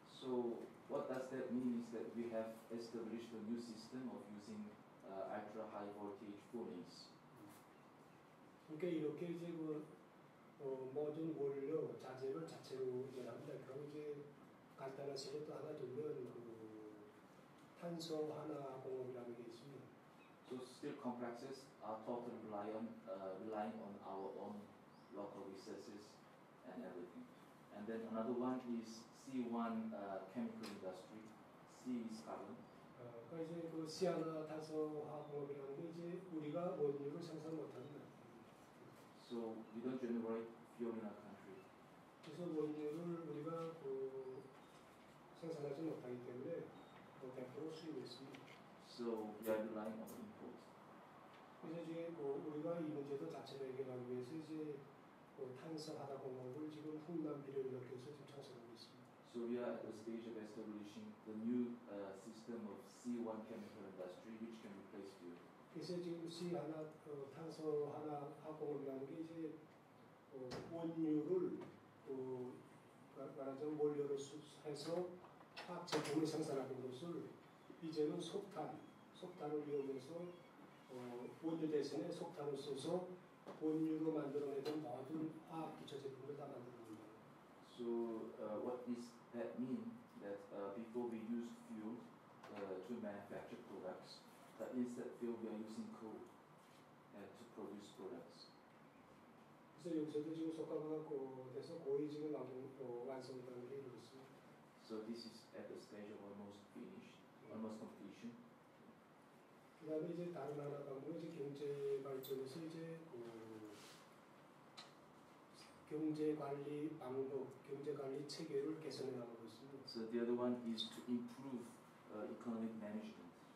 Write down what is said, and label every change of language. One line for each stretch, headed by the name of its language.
English: So what does that mean is that we have established a new system of using ultra high voltage coolings.
Korean: 그러니까 이렇게 이제 그 모든 원료 자재를 자체로 연합니다. 그럼 이제 간단한 식으로 또 하나 들면 그 탄소 하나 공업이라는 게 있습니다.
English: So steel complexes are totally relying on our own local resources and everything. And then another one is C1 chemical industry. C is carbon.
Korean: 그래서 그 C 하나 탄소 화학공업이라는 게 이제 우리가 원료를 생산 못합니다.
English: So we don't generate fuel in our country.
Korean: 그래서 원료를 우리가 그 생산하지 못하기 때문에 100% 수입을 했습니다.
English: So we are relying on imports.
Korean: 그래서 이제 뭐 우리가 이 문제도 자체로 해결하기 위해서 이제 뭐 탄소 하나 공업을 지금 훈남비를 일으켜서 지금 창설하고 있습니다.
English: So we are at the stage of establishing the new system of C1 chemical industry which can replace fuel.
Korean: 그래서 지금 C 하나 탄소 하나 화학공업이라는 게 이제 원료를 말하자면 원료로 해서 화학 제품을 생산하는 것을 이제는 석탄을 이용해서 원료 대신에 석탄을 써서 원료로 만들어내던 모든 화학 기초 제품을 다 만드는 겁니다.
English: So what does that mean? That before we use fuel to manufacture products. That means that fuel we are using coal to produce products.
Korean: 그래서 여기서도 지금 석가방하고 돼서 거의 지금 완성이라는 게 이루었습니다.
English: So this is at the stage of almost finished, almost completion.
Korean: 그 다음에 이제 다른 하나 방법은 이제 경제 발전에서 이제 경제 관리 방법, 경제 관리 체계를 개선해 나가고 있습니다.
English: So the other one is to improve economic management.